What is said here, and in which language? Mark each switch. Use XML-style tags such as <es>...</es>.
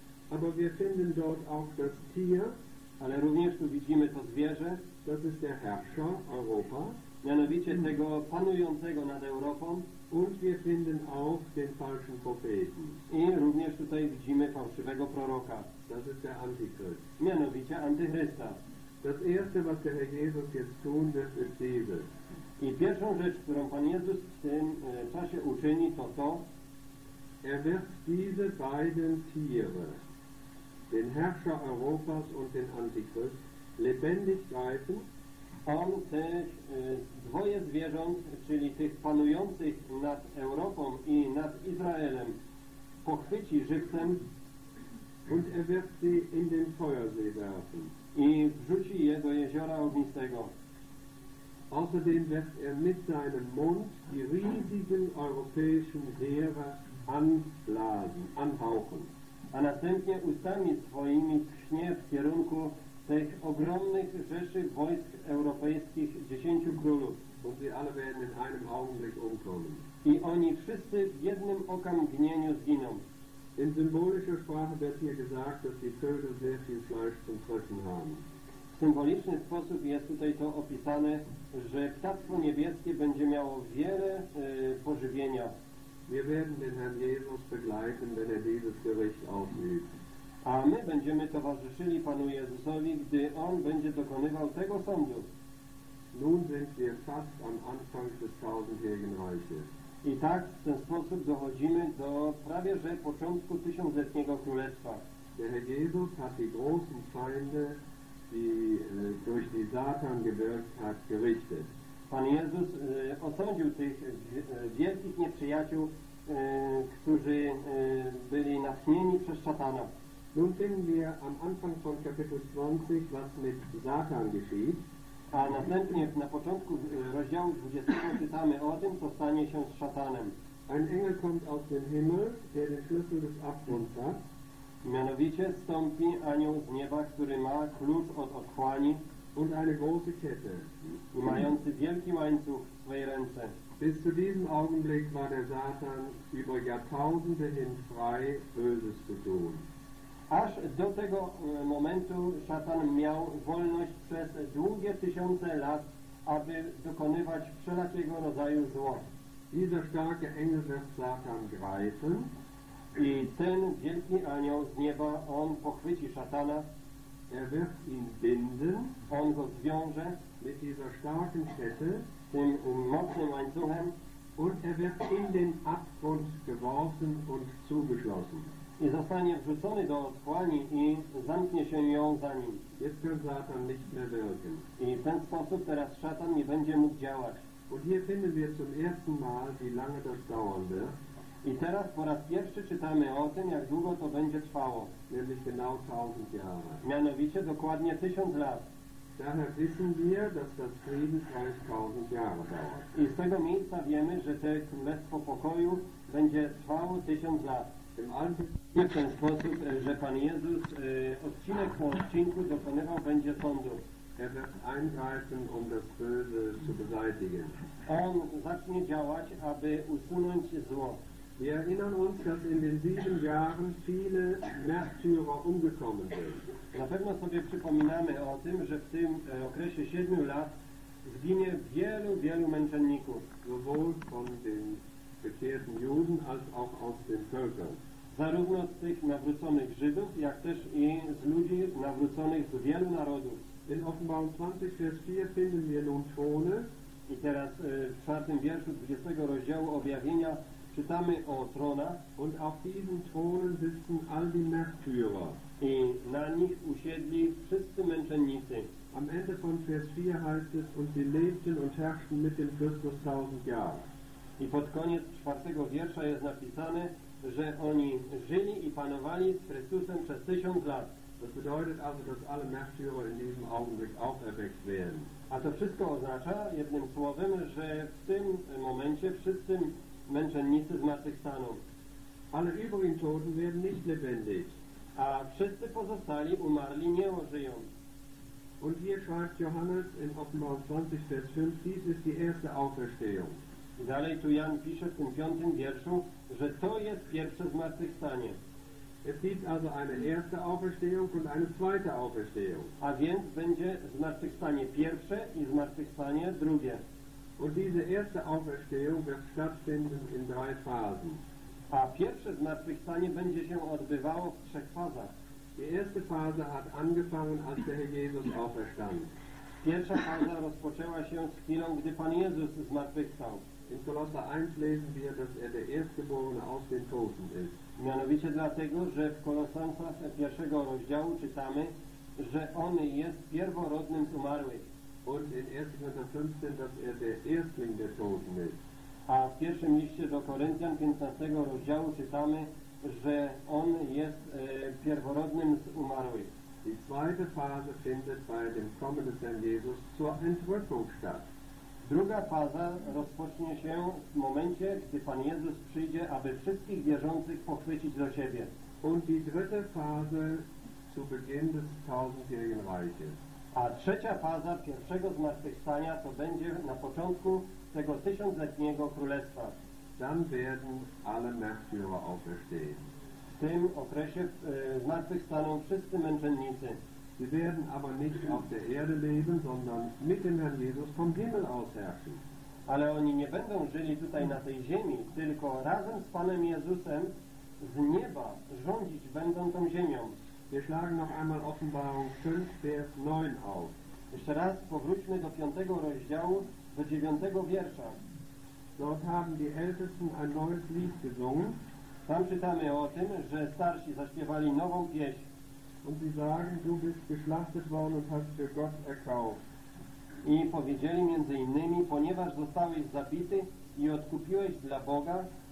<de>Aber wir finden dort auch das Tier.</de> <pl>Ale również tu widzimy to zwierzę.</pl> <de>Das ist der Herrscher Europa.</de> <pl>Mianowicie tego panującego nad Europą.</pl> <de>Und wir finden auch den falschen Propheten.</de> <pl>I również tutaj widzimy fałszywego proroka.</pl> <de>Das ist der Antichrist.</de> <pl>Mianowicie Antychrysta.</pl> <de>Das erste, was der Herr Jesus jetzt tun wird, ist dieses.</de> <pl>I pierwszą rzecz, którą Pan Jezus w tym czasie uczyni, to to.</pl> <de>Er wird diese beiden Tiere, den Herrscher Europas und den Antichrist, lebendig greifen.</de> <pl>On te dwoje zwierząt, czyli tych panujących nad Europą i nad Izraelem, pochwyci żywcem</pl> <de>und er wird sie in den Feuersee werfen.</de> <pl>I wrzuci je do jeziora ognistego.</pl> <de>Außerdem wird er mit seinem Mund die riesigen europäischen Heere anblasen, anhauchen.</de> <pl>A następnie ustami swoimi tchnie w kierunku tych ogromnych rzeszy wojsk europejskich 10 królów.</pl> <de>Und sie alle werden in einem Augenblick umkommen.</de> <pl>I oni wszyscy w jednym okamgnieniu zginą.</pl> <de>In symbolischer Sprache wird hier gesagt, dass die Vögel sehr viel Fleisch zum Fressen haben.</de> <pl>W symboliczny sposób jest tutaj to opisane, że ptactwo niebieskie będzie miało wiele pożywienia.</pl> <de>Wir werden den Herrn Jesus begleiten, wenn er dieses Gericht aufübt.</de> <pl>A my będziemy towarzyszyli Panu Jezusowi, gdy On będzie dokonywał tego sądu.</pl> <de>Nun sind wir fast am Anfang des tausendjährigen Reiches.</de> <pl>I tak w ten sposób dochodzimy do prawie że początku tysiącletniego królestwa.</pl> <de>Der Herr Jesus hat die großen Feinde, die durch die Satan gewirkt hat, gerichtet.</de> <pl>Pan Jezus osądził tych wielkich nieprzyjaciół, którzy byli natchnieni przez szatana.</pl> <de>Nun finden wir am Anfang von Kapitel 20, was mit Satan geschieht.</de> <pl>A następnie na początku rozdziału 20 czytamy o tym, co stanie się z szatanem.</pl> <de>Ein Engel kommt aus dem Himmel, der den Schlüssel des Abgrunds hat.</de> <pl>Mianowicie stąpi anioł z nieba, który ma klucz od otchłani.</pl> <de>Und eine große Kette.</de> <pl>I mający wielki łańcuch w swojej ręce.</pl> <de>Bis zu diesem Augenblick war der Satan über Jahrtausende hin frei, Böses zu tun.</de> <pl>Aż do tego momentu szatan miał wolność przez długie tysiące lat, aby dokonywać wszelakiego rodzaju zło.</pl> <de>Dieser starke Engel wird Satan greifen.</de> <pl>I ten wielki anioł z nieba, on pochwyci szatana.</pl> <de>Er wird ihn binden.</de> <pl>On go zwiąże.</pl> <de>Mit dieser starken Kette.</de> <pl>Tym mocnym łańcuchem.</pl> <de>Und er wird in den Abgrund geworfen und zugeschlossen.</de> <pl>I zostanie wrzucony do otchłani i zamknie się ją za nim.</pl> <de>Jetzt kann Satan nicht mehr wirken.</de> <pl>I w ten sposób teraz szatan nie będzie mógł działać.</pl> <de>Und hier finden wir zum ersten Mal, wie lange das dauern wird.</de> <pl>I teraz po raz pierwszy czytamy o tym, jak długo to będzie trwało.</pl> <de>Nämlich genau 1000 Jahre.</de> <pl>Mianowicie dokładnie 1000 lat.</pl> <de>Daher wissen wir, dass das Friedensreich 1000 Jahre dauert.</de> <pl>I z tego miejsca wiemy, że to Królestwo Pokoju będzie trwało 1000 lat. W ten sposób, że Pan Jezus odcinek po odcinku dokonywał będzie sądu.</pl> <de>Er wird eingreifen, um das Böse zu beseitigen.</de> <pl>On zacznie działać, aby usunąć zło.</pl> <de>Wir erinnern uns, dass in den sieben Jahren viele Märtyrer umgekommen sind.</de> <pl>Na pewno sobie przypominamy o tym, że w tym okresie siedmiu lat zginie wielu, wielu męczenników.</pl> <de>Sowohl von den bekehrten Juden, als auch aus den Völkern.</de> <pl>Zarówno z tych nawróconych Żydów, jak też i z ludzi nawróconych z wielu narodów.</pl> <de>In Offenbarung 20, Vers 4 finden wir nun Throne.</de> <pl>I teraz w czwartym wierszu 20 rozdziału Objawienia czytamy o tronach.</pl> <de>Und auf diesen Thronen sitzen all die Märtyrer.</de> <pl>I na nich usiedli wszyscy męczennicy.</pl> <de>Am Ende von Vers 4 heißt es, und sie lebten und herrschten mit dem Christus 1000 Jahre.</de> <pl>I pod koniec czwartego wiersza jest napisane, że oni żyli i panowali z Chrystusem przez 1000 lat.</pl> <de>Das bedeutet also, dass alle Märtyrer in diesem Augenblick auferweckt werden.</de> <pl>A to wszystko oznacza, jednym słowem, że w tym momencie wszyscy męczennicy zmartwychwstaną.</pl> <de>Alle übrigen Toten werden nicht lebendig.</de> <pl>A wszyscy pozostali umarli nie ożyją.</pl> <de>Und hier schreibt Johannes in Offenbarung 20, Vers 5, dies ist die erste Auferstehung.</de> <pl>I dalej tu Jan pisze w tym piątym wierszu, że to jest pierwsze zmartwychwstanie.</pl> <de>Es gibt also eine erste Auferstehung und eine zweite Auferstehung.</de> <pl>A więc będzie zmartwychwstanie pierwsze i zmartwychwstanie drugie.</pl> <de>Und diese erste Auferstehung wird stattfinden in drei Phasen.</de> <pl>A pierwsze zmartwychwstanie będzie się odbywało w trzech fazach.</pl> <de>Die erste Phase hat angefangen, als der Herr Jesus auferstand.</de> <pl>Pierwsza faza rozpoczęła się z chwilą, gdy Pan Jezus zmartwychwstał.</pl> <de>In Kolosser 1 lesen wir, dass er der Erstgeborene aus den Toten ist.</de> <pl>Mianowicie dlatego, że w Kolosansach pierwszego rozdziału czytamy, że on jest pierworodnym z umarłych.</pl> <de>Und in 1. Korinther 15, dass er der Erstling der Toten ist.</de> <pl>A w pierwszym liście do Koryntian 15 rozdziału czytamy, że on jest pierworodnym z umarłych.</pl> <de>Die zweite Phase findet bei dem Kommen des Herrn Jesus zur Entrückung statt.</de> <pl>Druga faza rozpocznie się w momencie, gdy Pan Jezus przyjdzie, aby wszystkich wierzących pochwycić do siebie.</pl> <de>Und die dritte Phase zu Beginn des tausendjährigen Reiches.</de> <pl>A trzecia faza pierwszego zmartwychwstania to będzie na początku tego tysiącletniego królestwa.</pl> <de>Dann werden alle Märtyrer auferstehen.</de> <pl>W tym okresie zmartwychwstaną wszyscy męczennicy.</pl> <de>Sie werden aber nicht auf der Erde leben, sondern mit dem Herrn Jesus vom Himmel aus herrschen.</de> <pl>Ale oni nie będą żyli tutaj na tej ziemi, tylko razem z Panem Jezusem z nieba rządzić będą tą ziemią.</pl> <de>Wir schlagen noch einmal Offenbarung 5, Vers 9 auf.</de> <pl>Jeszcze raz powróćmy do 5 rozdziału, do 9 wiersza.</pl> <de>Dort haben die Ältesten ein neues Lied gesungen.</de> <pl>Tam czytamy o tym, że starsi zaśpiewali nową pieśń.</pl> <de>Und sie sagen, du bist geschlachtet worden und hast für Gott erkauft.</de> <pl>I powiedzieli między innymi, ponieważ zostałeś zabity i odkupiłeś dla Boga</pl>